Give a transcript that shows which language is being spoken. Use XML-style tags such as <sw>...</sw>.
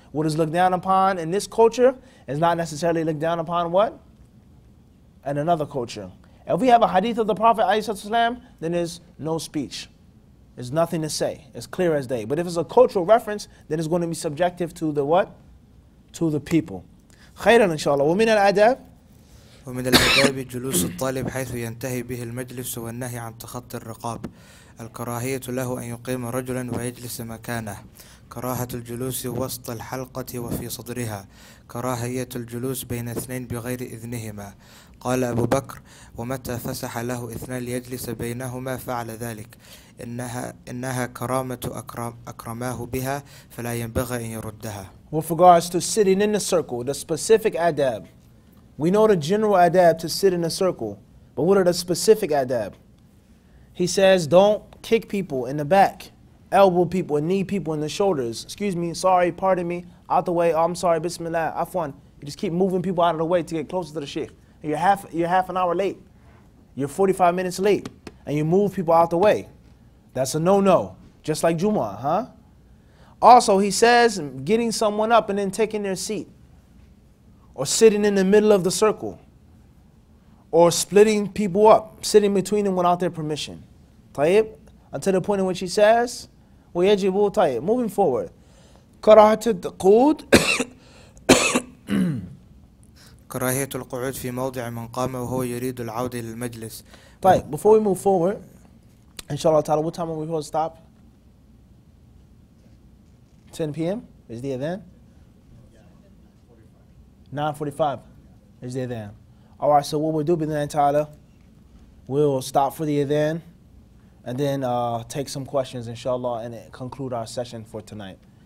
<en>What is looked down upon in this culture is not necessarily looked down upon what? In another culture. If we have a hadith of the Prophet ﷺ, then there's no speech. There's nothing to say. It's clear as day. But if it's a cultural reference, then it's going to be subjective to the what? To the people.</en> <ar>خيراً إن شاء الله. ومن الأدب؟ ومن الأدب جلوس الطالب حيث ينتهي به المجلس والنهي عن تخطي الرقاب. الكراهية له أن يقيم رجلاً ويجلس مكانه. كراهة الجلوس وسط الحلقة وفي صدرها كراهية الجلوس بين اثنين بغير إذنهما قال أبو بكر ومتى فسح له اثنان ليجلس بينهما فعل ذلك إنها كرامة أكرماه بها فلا ينبغي أن يردها</ar> <en>With regards to sitting in the circle, the specific adab We know the general adab to sit in a circle But what are the specific adab? He says don't kick people in the back Elbow people and knee people in the shoulders. Excuse me, sorry, pardon me, out the way. Oh, I'm sorry, bismillah, afwan. You just keep moving people out of the way to get closer to the sheikh. And you're half an hour late. You're 45 minutes late. And you move people out the way. That's a no-no. Just like Jumu'ah, huh? Also, he says getting someone up and then taking their seat. Or sitting in the middle of the circle. Or splitting people up. Sitting between them without their permission. Tayyib? Until the point in which he says...</en> <ar>ويجب طيب</ar> <en>moving forward</en> <ar>كراهة القعود كراهية القعود في موضع من قام وهو يريد العودة للمجلس</ar> <en>طيب before we move forward inshallah ta'ala what time are we supposed to stop 10 p.m. is the event 9:45 is the adhan. All right, so what we'll do, B'nai Ta'ala, we'll stop for the adhan and then take some questions, inshallah, and conclude our session for tonight.</en>